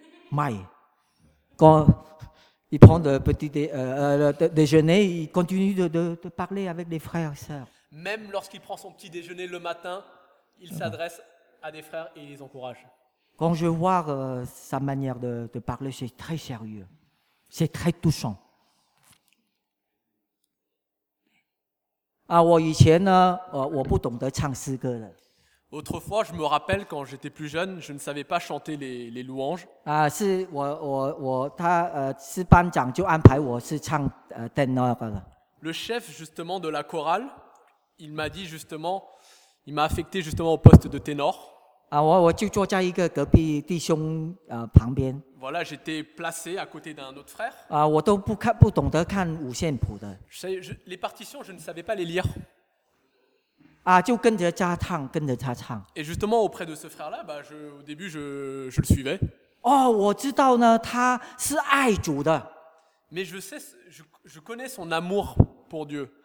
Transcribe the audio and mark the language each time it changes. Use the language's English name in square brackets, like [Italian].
[French] Mike, quand il prend le petit déjeuner, il continue de parler avec les frères et sœurs. Même lorsqu'il prend son petit déjeuner le matin, il s'adresse à des frères et il les encourage. Quand je vois sa manière de parler, c'est très sérieux. C'est très touchant. [Chinese] 我以前呢，我不懂得唱诗歌的。 [French] Autrefois, je me rappelle quand j'étais plus jeune, je ne savais pas chanter les louanges. [Chinese] 是我他班长就安排我是唱tenor的。 [French] Le chef justement de la chorale, il m'a dit justement, Il m'a affecté justement au poste de ténor. [Chinese] 我就坐在一个隔壁弟兄旁边。 [French] Voilà, j'étais placé à côté d'un autre frère. [Chinese] 我都不懂得看五线谱的。 [French] Les partitions, je ne savais pas les lire. [Chinese] 就跟着他唱。 [French] Et justement, auprès de ce frère-là, bah, au début, je le suivais. [Chinese] 我知道呢, 他是爱主的。 [French] Mais je connais son amour pour Dieu.